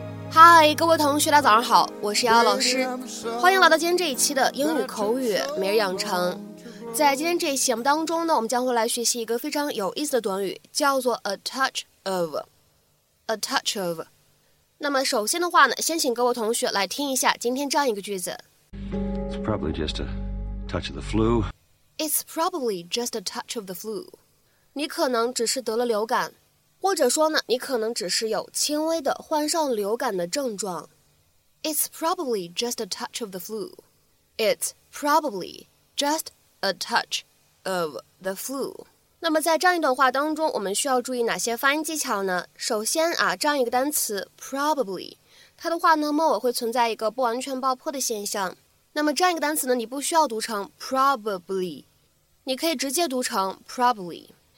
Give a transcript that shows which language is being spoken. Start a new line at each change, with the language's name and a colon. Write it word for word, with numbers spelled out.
Chinese: 嗨，各位同学，大家早上好，我是瑶瑶老师，欢迎来到今天这一期的英语口语每日养成。在今天这一期节目当中呢，我们将会来学习一个非常有意思的短语，叫做 a touch of a touch of。那么首先的话呢，先请各位同学来听一下今天这样一个句子。
English: It's probably just a touch of the flu. It's probably just a touch of the flu.
Chinese: 你可能只是得了流感。或者说呢，你可能只是有轻微的患上流感的症状。
English: It's probably just a touch of the flu. It's probably just a touch of the flu.
Chinese: 那么在这样一段话当中，我们需要注意哪些发音技巧呢？首先啊，这样一个单词 probably， 它的话呢，末尾会存在一个不完全爆破的现象。那么这样一个单词呢，你不需要读成 probably， 你可以直接读成 probably。